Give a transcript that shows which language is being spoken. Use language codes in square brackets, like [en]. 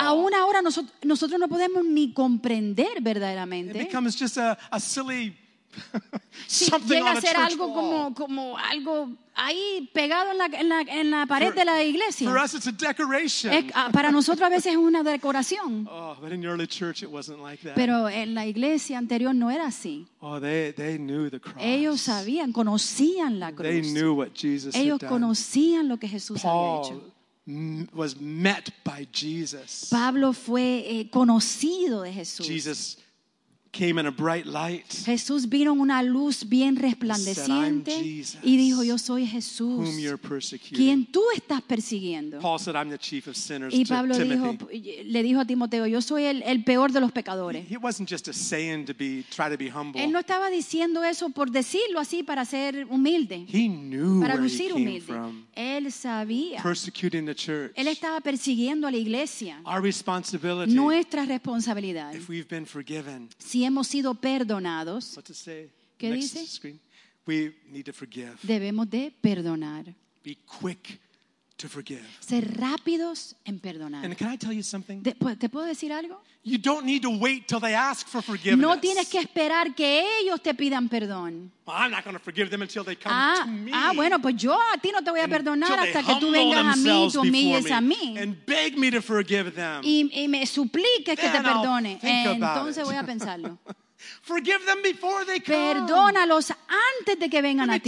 [es] Aún ahora nosotros no podemos ni comprender verdaderamente. [en] It becomes just a silly something [es] llega [en] on a church wall. [es] Llega a ser algo como algo ahí pegado en la pared de la iglesia. [en] For us, it's a decoration. [es] Para nosotros a veces es una decoración. [en] Oh, but in the early church, it wasn't like that. [es] Pero en la iglesia anterior no era así. [en] Oh, they knew the cross. [es] Ellos sabían, conocían la cruz. [en] They knew what Jesus [es] ellos [en] had done. [es] Conocían lo que Jesús [en] Paul, [es] había hecho. [en] Was met by Jesus. [es] Pablo fue conocido de Jesús. [en] Jesus came in a bright light. [es] Jesús vino en una luz bien resplandeciente. [en] Said, I'm Jesus, [es] y dijo, yo soy Jesús. [en] Whom you're persecuting. [es] Quien tú estás persiguiendo. [en] Paul said, I'm the chief of sinners. [es] Y Pablo dijo, le dijo a Timoteo, yo soy el peor de los pecadores. [en] He wasn't just a saying to be, try to be humble. [es] Él no estaba diciendo eso por decirlo así para ser humilde. [en] He knew [es] para [en] where [es] lucir [en] he came [es] humilde. [en] From. [es] Él sabía. [en] Persecuting the church. [es] Él estaba persiguiendo a la iglesia. [en] Our responsibility. [es] Nuestra responsabilidad. [en] If we've been forgiven. [es] Si hemos sido perdonados. [en] What to say? [es] ¿Qué [en] next [es] dice? [en] Screen. We need to forgive. [es] Debemos de perdonar. [en] Be quick to forgive. [es] Ser rápidos en perdonar. [en] And can I tell you something? [es] ¿Te puedo decir algo? [en] You don't need to wait till they ask for forgiveness. [es] No tienes que esperar que ellos te pidan perdón. [en] Well, I'm not going to forgive them until they come to me. [es] Ah, bueno, pues yo a ti no te voy a perdonar hasta que tú vengas a mí, tú humilles a mí. [en] And beg me to forgive them. [es] Y me supliques que te perdone. Entonces [en] it. [es] Voy a pensarlo. [en] Forgive them before they come. [es] Perdónalos antes de que vengan a ti.